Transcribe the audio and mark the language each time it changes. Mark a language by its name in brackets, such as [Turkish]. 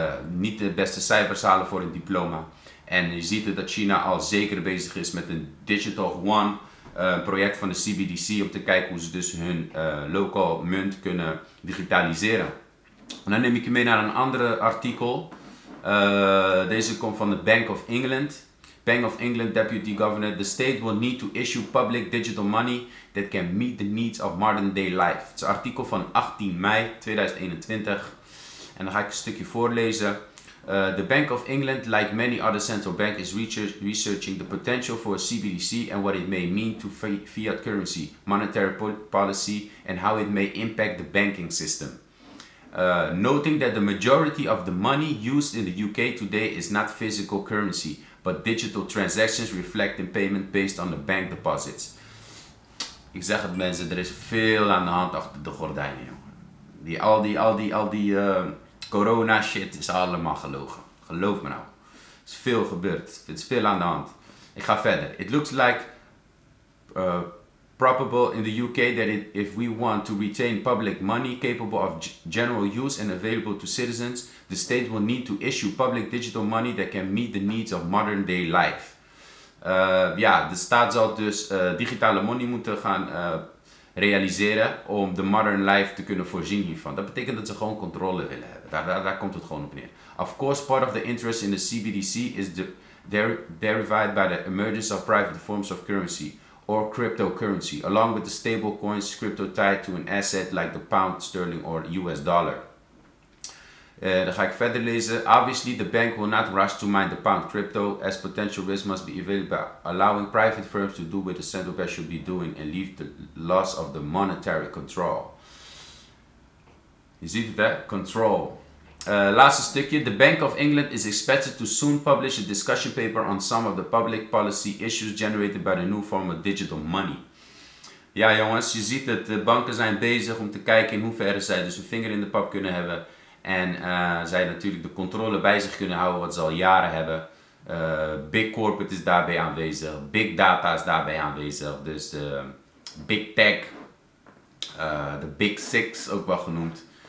[Dutch] Niet de beste cijfers halen voor een diploma. En je ziet dat China al zeker bezig is met een Digital Yuan project van de CBDC om te kijken hoe ze dus hun local munt kunnen digitaliseren. En dan neem ik je mee naar een andere artikel. Deze komt van de Bank of England. [English] Bank of England Deputy Governor. The state will need to issue public digital money that can meet the needs of modern day life. [Dutch] Het is een artikel van 18 mei 2021. En dan ga ik een stukje voorlezen. [English] The Bank of England, like many other central banks, is researching the potential for a CBDC and what it may mean to fiat currency, monetary policy, and how it may impact the banking system. noting that the majority of the money used in the UK today is not physical currency, but digital transactions reflecting payment based on the bank deposits. [Dutch] Ik zeg het mensen, er is veel aan de hand achter de gordijnen, jongen. Al die corona shit is allemaal gelogen. Geloof me nou. Er is veel gebeurd. Er is veel aan de hand. Ik ga verder. [English] It looks like probable in the UK that if we want to retain public money capable of general use and available to citizens, the state will need to issue public digital money that can meet the needs of modern day life. [Dutch] Ja, de staat zal dus digitale money moeten gaan realiseren om de modern life te kunnen voorzien hiervan. Dat betekent dat ze gewoon controle willen hebben. Daar komt het gewoon op neer. [English] Of course, part of the interest in the CBDC is derived by the emergence of private forms of currency or cryptocurrency, along with the stable coins crypto tied to an asset like the pound sterling or US dollar. [Dutch] Dan ga ik verder lezen. [English] Obviously, the bank will not rush to mine the pound crypto, as potential risk must be evaluated by allowing private firms to do what the central bank should be doing and leave the loss of the monetary control. [Dutch] Je ziet het, control. Laatste stukje. [English] The Bank of England is expected to soon publish a discussion paper on some of the public policy issues generated by the new form of digital money. [Dutch] Ja jongens, je ziet dat de banken zijn bezig om te kijken in hoeverre zij dus hun vinger in de pap kunnen hebben. En zij natuurlijk de controle bij zich kunnen houden wat ze al jaren hebben. Big corporate is daarbij aanwezig. Big data is daarbij aanwezig. Dus big tech. De big six ook wel genoemd.